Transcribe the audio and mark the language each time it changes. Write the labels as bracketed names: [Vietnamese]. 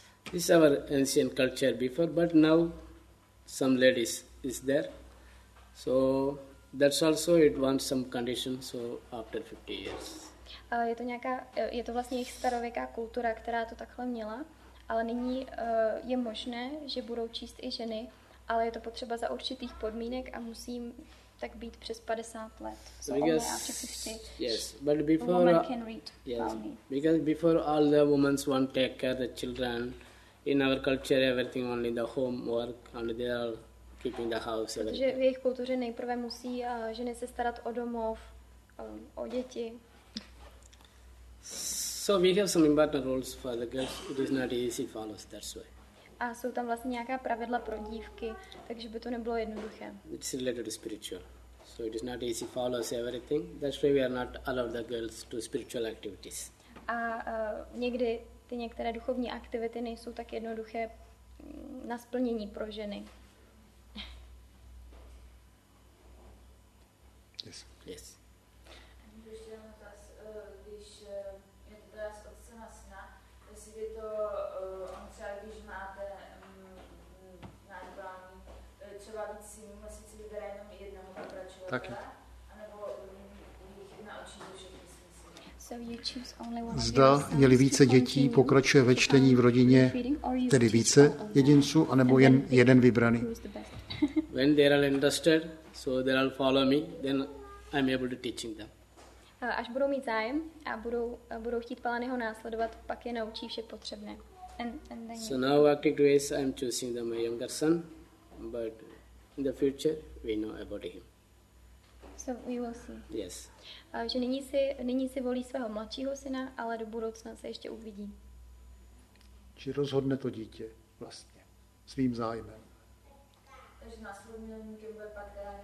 [English] This is our ancient culture before, but now some ladies is there, so that's also it wants some condition. So after 50 years. [Czech] Je to nějaká, je to vlastně jejich starověká kultura, která to takhle měla, ale nyní je možné, že budou číst i ženy, ale je to potřeba za určitých podmínek a musím tak být přes 50 let. [English] So because, yes, but before a woman can read yes, for me. Because before all the women want to take care of the children, in our culture everything only the homework and they are keeping the house. [Czech] Protože v jejich kultuře nejprve musí ženy se starat o domov, o děti. [English] So we have some important rules for the girls. It is not easy to follow, that's why. [Czech] A jsou tam vlastně nějaká pravidla pro dívky, takže by to nebylo jednoduché. [English] It's related to spiritual. So it is not easy to follow everything. That's why we are not allowed the girls to spiritual activities. [Czech] A někdy ty některé duchovní aktivity nejsou tak jednoduché na splnění pro ženy. [English] Yes. Yes. [Czech] Taky. [English] So you choose only one. [Czech] Zda, je-li více dětí, pokračuje ve čtení v rodině, tedy více jedinců, anebo jen jeden vybraný. [English] When they are interested, so they will follow me, then I'm able to teach them. [Czech] Až budou mít zájem a budou chtít Palaného následovat, pak je naučí vše potřebné. [English] And so now actually I'm choosing the my younger son, but in the future we know about him. So we will see. Yes. [Czech] Že nyní si volí svého mladšího syna, ale do budoucna se ještě uvidí. Či rozhodne to dítě vlastně svým zájmem. Takže následujícím bude pak